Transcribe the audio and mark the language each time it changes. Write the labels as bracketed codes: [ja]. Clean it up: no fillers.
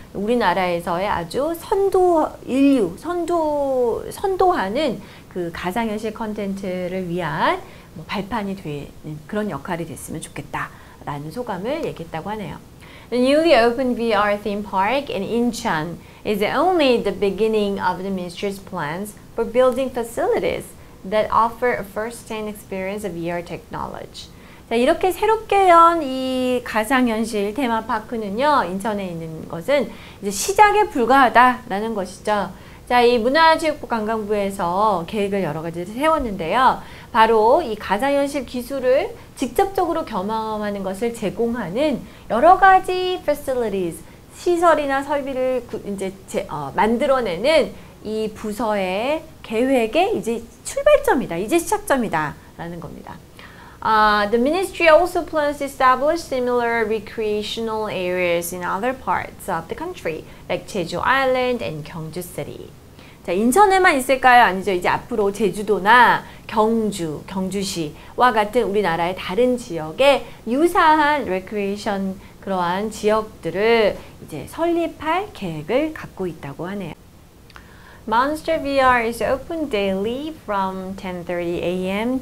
[ko] 우리나라에서의 아주 선도하는 그 가상현실 콘텐츠를 위한 뭐 발판이 되는 그런 역할이 됐으면 좋겠다라는 소감을 얘기했다고 하네요. [en] The newly opened VR theme park in Incheon is only the beginning of the ministry's plans for building facilities that offer a first-hand experience of VR technology. [ko] 자, 이렇게 새롭게 연 이 가상현실 테마파크는요, 인천에 있는 것은 이제 시작에 불과하다라는 것이죠. 자, 이 문화체육관광부에서 계획을 여러 가지 세웠는데요. 바로 이 가상현실 기술을 직접적으로 경험하는 것을 제공하는 여러 가지 facilities, 시설이나 설비를 만들어내는 이 부서의 계획의 이제 출발점이다. 이제 시작점이다. 라는 겁니다. [en] The ministry also plans to establish similar recreational areas in other parts of the country, like Jeju Island and Gyeongju City. [ko] 자, 인천에만 있을까요? 아니죠. 이제 앞으로 제주도나 경주시와 같은 우리나라의 다른 지역에 유사한 recreation 그러한 지역들을 이제 설립할 계획을 갖고 있다고 하네요. [en] Monster VR is open daily from 10:30 a.m.